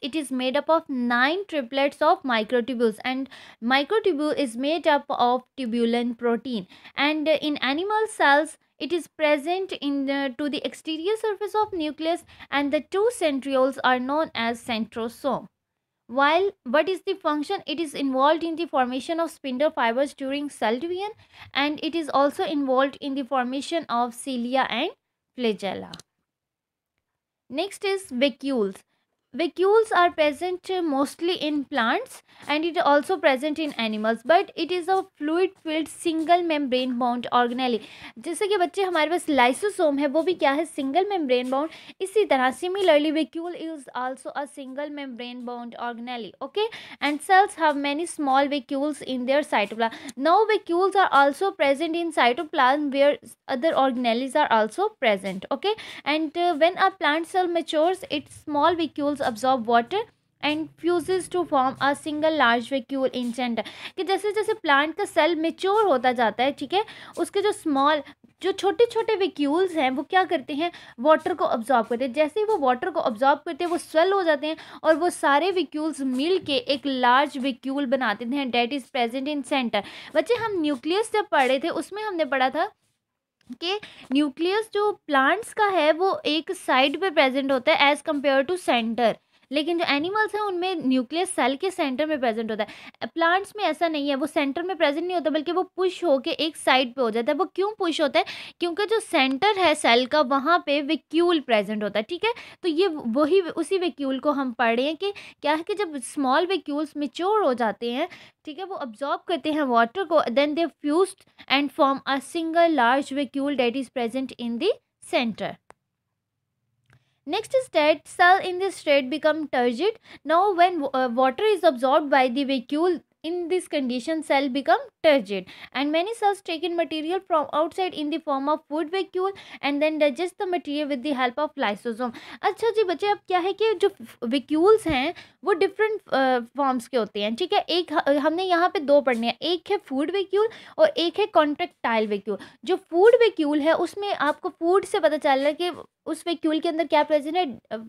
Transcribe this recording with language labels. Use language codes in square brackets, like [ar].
[en] It is made up of 9 triplets of microtubules, and microtubule is made up of tubulin protein. And in animal cells it is present in to the exterior surface of nucleus, and the 2 centrioles are known as centrosome. While what is the function? It is involved in the formation of spindle fibers during cell division, and it is also involved in the formation of cilia and flagella. Next is vacuoles. Vacuoles are present mostly in plants, and it is also present in animals, but it is a fluid filled single membrane bound organelle. [hi] जैसे कि बच्चे हमारे पास lysosome है, वो भी क्या है? [en] Single membrane bound. [hi] इसी तरह [en] similarly vacuole is also a single membrane bound organelle. Okay, and cells have many small vacuoles in their cytoplasm. Now vacuoles are also present in cytoplasm where other organelles are also present. Okay, and when a plant cell matures, its small vacuoles absorb water and fuses to form a single large vacuole in center. [hi] कि जैसे जैसे plant का cell mature होता जाता है, ठीक है, उसके जो small जो छोटे छोटे vacuoles हैं वो क्या करते हैं? Water को absorb करते हैं. जैसे ही वो water को absorb करते हैं वो swell हो जाते हैं, और वो सारे vacuoles मिल के एक large vacuole बनाते हैं, [en] that is present in center. [hi] बच्चे हम nucleus जब पढ़े थे उसमें हमने पढ़ा था के न्यूक्लियस जो प्लांट्स का है वो एक साइड पे प्रेजेंट होता है [en] as compare to centre, [hi] लेकिन जो एनिमल्स हैं उनमें न्यूक्लियस सेल के सेंटर में प्रेजेंट होता है. प्लांट्स में ऐसा नहीं है, वो सेंटर में प्रेजेंट नहीं होता, बल्कि वो पुश होके एक साइड पे हो जाता है. वो क्यों पुश होता है? क्योंकि जो सेंटर है सेल का वहाँ पे वैक्यूल प्रेजेंट होता है, ठीक है. तो ये वही उसी वैक्यूल को हम पढ़ रहे हैं कि क्या है कि जब स्मॉल वैक्यूल्स मैच्योर हो जाते हैं, ठीक है, वो अब्जॉर्ब करते हैं वाटर को, [en] Then they fused and form a single large vacuole that is present in the centre. Next is dead cell in this state become turgid. Now when water is absorbed by the vacuole, in this condition cell become turgid, and many cells take in material from outside in the form of food vacuole and then digest the material with the help of lysosome. [hi] अच्छा जी बच्चे, अब क्या है कि जो vacuoles हैं वो different forms के होते हैं, ठीक है. एक हमने यहाँ पर दो पढ़ने हैं, एक है food vacuole और एक है contractile vacuole. जो food vacuole है उसमें आपको food से पता चल रहा है कि उस वैक्यूल के अंदर क्या प्रेजेंट है?